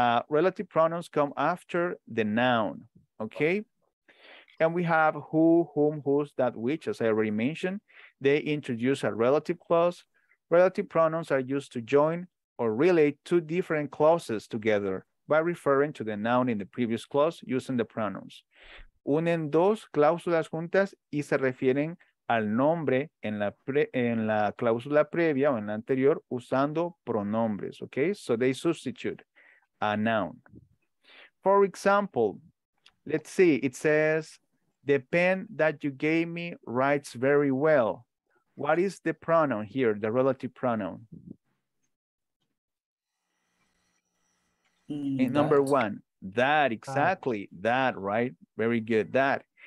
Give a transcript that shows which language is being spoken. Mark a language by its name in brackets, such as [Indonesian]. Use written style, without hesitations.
[English] Relative pronouns come after the noun, okay? And we have who, whom, whose, that, which, as I already mentioned. They introduce a relative clause. Relative pronouns are used to join or relate two different clauses together by referring to the noun in the previous clause using the pronouns. [Spanish] Unen dos cláusulas juntas y se refieren al nombre en la, en la cláusula previa o en la anterior usando pronombres, okay? [English] So they substitute a noun. For example, let's see, it says, the pen that you gave me writes very well. What is the pronoun here, the relative pronoun? Number one, that, exactly, that, right? Very good, that.